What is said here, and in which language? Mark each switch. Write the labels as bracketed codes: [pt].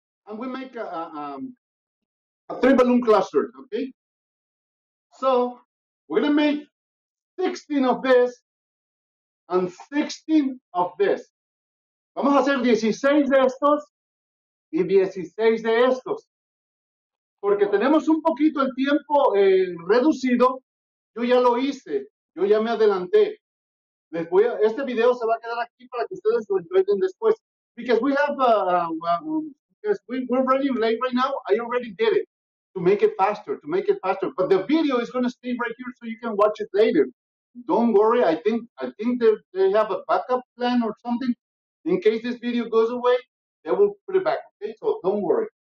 [en] And we make a three balloon cluster, okay? So, we're going to make 16 of this and 16 of this. [es] Vamos a hacer 16 de estos y 16 de estos. Porque tenemos un poquito el tiempo reducido. Yo ya lo hice. Yo ya me adelanté. Les voy a, este video se va a quedar aquí para que ustedes lo entiendan después. [en] Because we have we're running late right now. I already did it to make it faster, to make it faster. But the video is going to stay right here so you can watch it later. Don't worry. I think they have a backup plan or something. In case this video goes away, they will put it back. Okay, so don't worry.